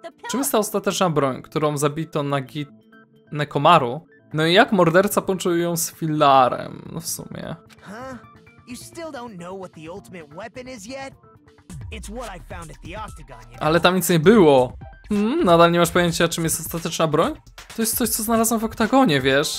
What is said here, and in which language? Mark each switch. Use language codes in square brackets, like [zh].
[pl] Czym jest ta ostateczna broń, którą zabito Nagito? Nekomaru. No i jak morderca połączył ją z filarem? No w sumie. Huh? [en] You still don't know what the ultimate weapon is yet? It's what I found at the Octagon. [pl] Ale tam nic nie było. Nadal nie masz pojęcia, czym jest ostateczna broń? To jest coś, co znalazłem w oktagonie, wiesz?